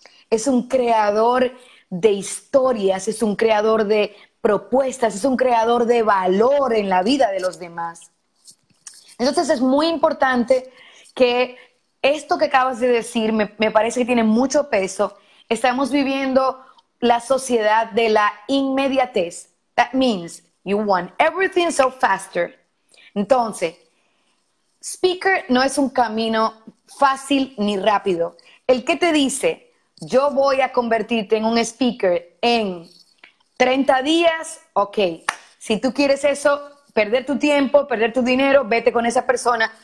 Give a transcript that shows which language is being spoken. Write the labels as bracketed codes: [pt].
[es] Es un creador de historias, es un creador de propuestas, es un creador de valor en la vida de los demás. Entonces es muy importante que esto que acabas de decir, me parece que tiene mucho peso. Estamos viviendo la sociedad de la inmediatez. [en] That means you want everything so faster. [es] Entonces, speaker no es un camino fácil ni rápido. El que te dice, yo voy a convertirte en un speaker en 30 días, ok. Si tú quieres eso, perder tu tiempo, perder tu dinero, vete con esa persona.